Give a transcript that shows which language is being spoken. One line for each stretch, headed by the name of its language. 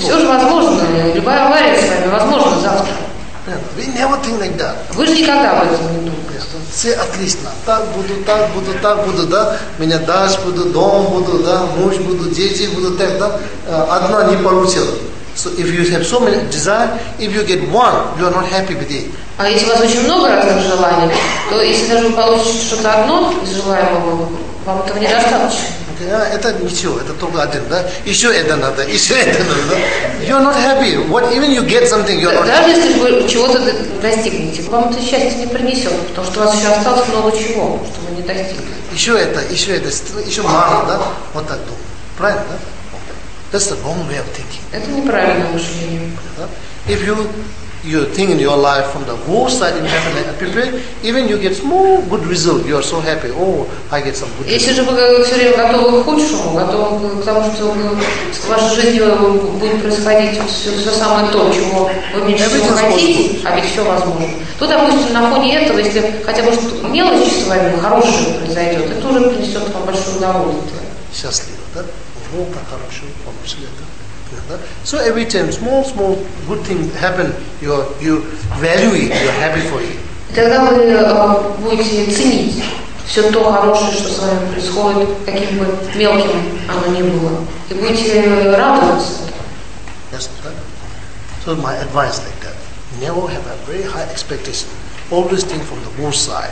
Russian: Все же возможно. Любая авария с вами возможна завтра.
English: Yeah, we never think like that.
Russian: Вы же никогда об этом не думали. Все отлично. Так буду, так буду, так буду, да? Меня дашь, буду, дом буду, да? Муж буду, дети буду, так, да? Одна не получила.
English: So if you have so many desires, if you get one, you are not happy with it.
Russian: А если у вас очень много разных желаний, то если даже вы получите что-то одно из желаемого, вам этого недостаточно. Это ничего, это только один, да? Еще это надо, да?
English: You're not happy. What even you get something, you're not happy.
Russian: Даже если вы чего-то достигнете, вам это счастье не принесет, потому что у вас еще осталось много чего, что вы не достигли. Еще мало, да? Вот так думаю. Правильно, да?
English: That's the wrong way of thinking.
Russian: Это неправильное мышление.
English: If you think in your life from the worst side in heaven and prepare, even you get small good result, you are so happy. Oh, I get some good result.
Russian: Если же вы все время готовы к худшему, готовы к тому, что с вашей жизнью будет происходить все самое то, чего вы меньше всего хотите, а ведь все возможно. То, допустим, на фоне этого, если хотя бы что-то мелочи с вами хорошее произойдет, это уже принесет вам большое удовольствие. Счастливо, да? Ого, как хорошо, получили это.
English: So every time small good thing happen, you value it, you are happy for it.
Russian: Тогда вы будете ценить все то хорошее, что с вами происходит, каким бы мелким оно ни было, и будете радоваться.
English: Yes, that. So my advice like that: never have a very high expectation. Always think from the worst side.